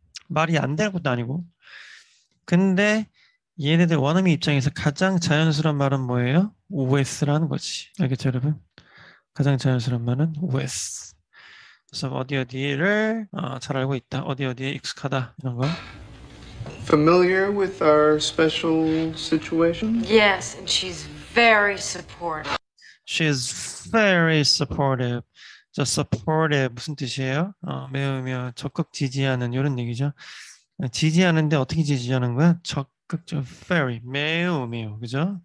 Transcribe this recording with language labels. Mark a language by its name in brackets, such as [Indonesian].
[Korean] 말이 안될 것도 아니고. 근데 얘네들 원어민 입장에서 가장 자연스러운 말은 뭐예요? with라는 거지. 알겠죠, 여러분? 가장 자연스러운 말은 with. 그래서 어디 어디를 잘 알고 있다. 어디 어디에 익숙하다. 이런 거. [English] Familiar with our special situation? Yes, and she's very supportive. She's very supportive. [Korean] 자, supportive 무슨 뜻이에요? 매우 적극 지지하는 이런 얘기죠. 지지하는데 어떻게 지지하는 거야? 극적 very 매우 그죠?